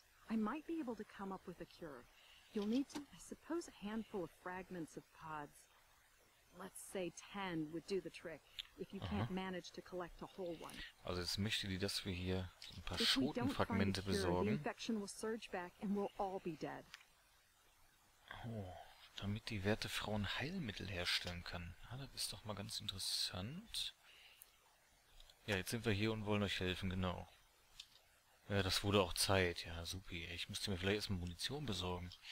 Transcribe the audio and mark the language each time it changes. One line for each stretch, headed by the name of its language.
English: I might be able to come up with a cure. You'll need to, I suppose, a handful of fragments of pods. Let's say 10 would do the trick, if you can't manage to collect a whole one.
German: Also jetzt möchte die, dass wir hier ein paar Schotenfragmente besorgen.
English: The infection will surge back and we'll all be dead.
German: Oh, damit die werte Frau ein Heilmittel herstellen kann. Ah, das ist doch mal ganz interessant. Ja, jetzt sind wir hier und wollen euch helfen, genau. Ja, das wurde auch Zeit. Ja, supi. Ich müsste mir vielleicht erstmal Munition besorgen.